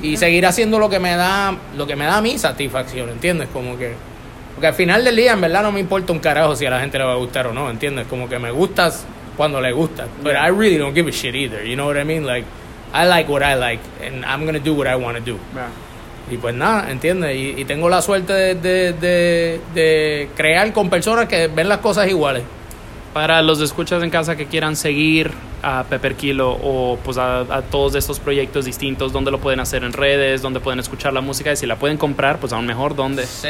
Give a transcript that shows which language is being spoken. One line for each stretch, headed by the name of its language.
Spanish: Y seguir haciendo lo que me da a mí satisfacción, ¿entiendes? Como que... Porque al final del día, en verdad, no me importa un carajo si a la gente le va a gustar o no, ¿entiendes? Como que me gustas cuando le gustas.
English: But yeah. I really don't give a shit either, you know what I mean? Like, I like what I like, and I'm gonna do what I wanna do. Yeah.
Spanish: Y pues nada, ¿entiendes? Y tengo la suerte de crear con personas que ven las cosas iguales. Para los escuchas en casa que quieran seguir a Pepper Kilo o pues a todos estos proyectos distintos, ¿dónde lo pueden hacer? ¿En redes? ¿Dónde pueden escuchar la música? Y si la pueden comprar, pues aún mejor, ¿dónde?